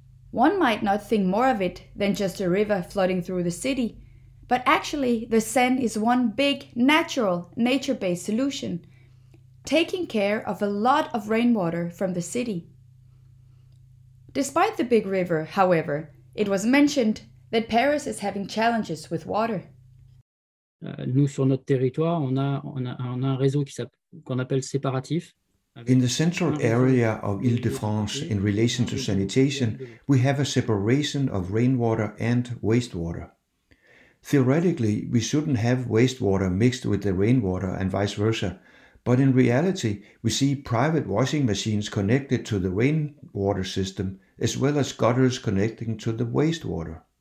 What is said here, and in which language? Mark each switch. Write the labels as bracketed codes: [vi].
[en] One might not think more of it than just a river flooding through the city, but actually, the Seine is one big, natural, nature-based solution, taking care of a lot of rainwater from the city. Despite the big river, however, it was mentioned that Paris is having challenges with water. [fr] Nous, sur notre territoire, on a un réseau qu'on appelle séparatif. [en] In the central area of Île-de-France, in relation to sanitation, we have a separation of rainwater and wastewater. Theoretically, we shouldn't have wastewater mixed with the rainwater and vice versa. But in reality, we see private washing machines connected to the rainwater system, as well as gutters connecting to the wastewater.